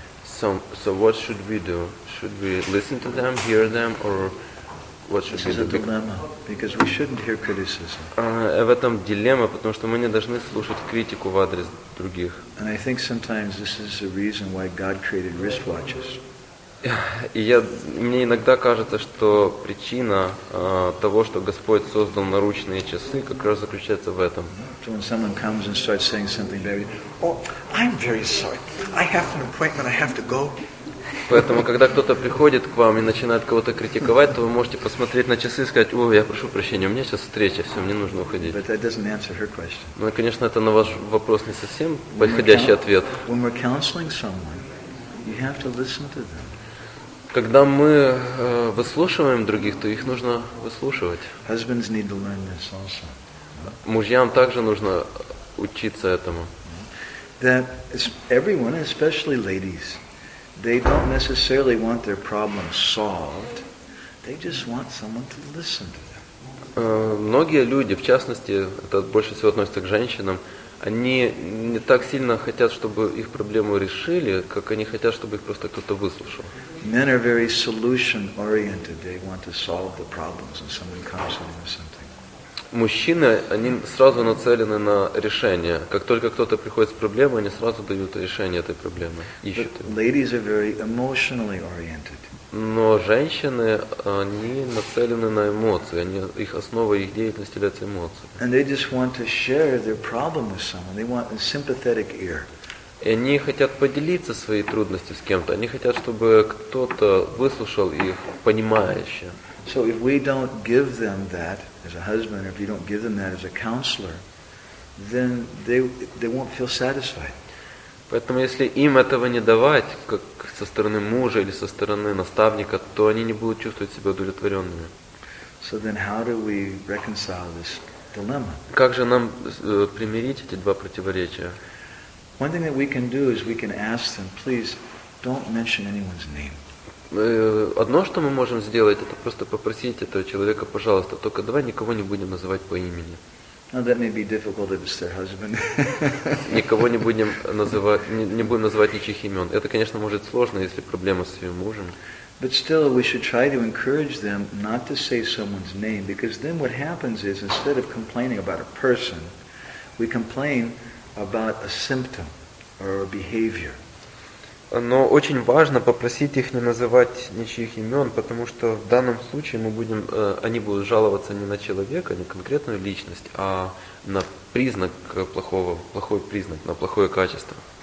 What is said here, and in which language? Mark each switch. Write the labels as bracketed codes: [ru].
[en] So what should we do? Should we listen to them, hear them, or what should we do? This is a dilemma, because we shouldn't hear criticism. [ru] В этом дилемма, потому что мы не должны слушать критику в адрес других. [en] And I think sometimes this is the reason why God created wristwatches. [ru] И мне иногда кажется, что причина того, что Господь создал наручные часы, как раз заключается в этом. [en] So when someone comes and starts saying something, I'm very sorry. I have an appointment, I have to go. [ru] Поэтому, когда кто-то приходит к вам и начинает кого-то критиковать, то вы можете посмотреть на часы и сказать: «О, я прошу прощения, у меня сейчас встреча, все, мне нужно уходить». [en] But that doesn't answer her question. [ru] Но, конечно, это на ваш вопрос не совсем подходящий ответ. [en] When we're counseling someone, you have to listen to them. [ru] Когда мы выслушиваем других, то их нужно выслушивать. [en] Husbands need to learn this also. [ru] Мужьям также нужно учиться этому. [en] That everyone, especially ladies, they don't necessarily want their problems solved. They just want someone to listen to them. [ru] Многие люди, в частности, это больше всего относится к женщинам, они не так сильно хотят, чтобы их проблему решили, как они хотят, чтобы их просто кто-то выслушал. [en] Men are very solution-oriented. They want to solve the problems when someone comes in or something. [ru] Мужчины, они сразу нацелены на решение. Как только кто-то приходит с проблемой, они сразу дают решение этой проблемы, ищут его. [en] Ladies are very emotionally oriented. [ru] Но женщины, они нацелены на эмоции. Они, их основа, их деятельность является эмоциями. [en] And they just want to share their problem with someone. They want a sympathetic ear. [ru] И они хотят поделиться своей трудностью с кем-то. Они хотят, чтобы кто-то выслушал их понимающе. [en] So if we don't give them that as a husband, if you don't give them that as a counselor, then they won't feel satisfied. [ru] Поэтому если им этого не давать, как со стороны мужа или со стороны наставника, то они не будут чувствовать себя удовлетворенными. [en] So then how do we reconcile this dilemma? [ru] Как же нам примирить эти два противоречия? [en] One thing that we can do is we can ask them, please don't mention anyone's name. [ru] Одно, что мы можем сделать, это просто попросить этого человека: пожалуйста, только давай никого не будем называть по имени. [en] Now that may be difficult if it's their husband. [ru] Никого не будем называть, не будем называть ничьих имен. Это, конечно, может сложно, если проблема с своим мужем. [en] But still, we should try to encourage them not to say someone's name, because then what happens is, instead of complaining about a person, we complain about a symptom or a behavior. [ru] Но очень важно попросить их не называть ничьих имен, потому что в данном случае мы будем, они будут жаловаться не на человека, не конкретную личность, а на признак плохого, плохой признак, на плохое качество.